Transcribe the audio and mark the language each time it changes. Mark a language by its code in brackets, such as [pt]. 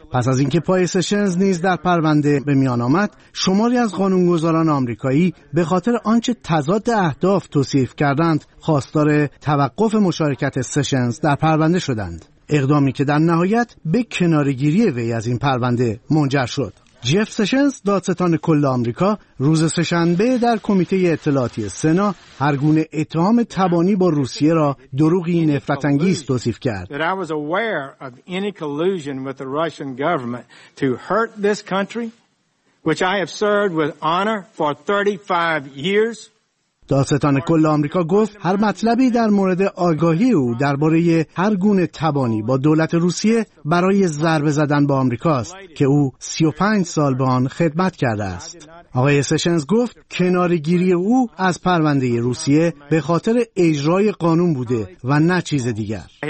[fa] پس از اینکه پای سشنز نیز در پرونده به میان آمد، شماری از قانونگذاران آمریکایی به خاطر آنچه تضاد اهداف توصیف کردند، خواستار توقف مشارکت سشنز در پرونده شدند. اقدامی که در نهایت به کنارگیری وی از این پرونده منجر شد. جف سشنز دادستان کل آمریکا روز سه‌شنبه در کمیته اطلاعاتی سنا هر گونه اتهام تبانی با روسیه را دروغی نفرت انگیز توصیف کرد. [en] I was aware of any collusion with the Russian government to hurt this country which I have served with honor for 35 years. [fa] دادستان کل آمریکا گفت هر مطلبی در مورد آگاهی او درباره هر گونه تبانی با دولت روسیه برای ضربه زدن به آمریکا است که او 35 سال به آن خدمت کرده است. آقای سشنز گفت کنارگیری او از پرونده روسیه به خاطر اجرای قانون بوده و نه چیز دیگر.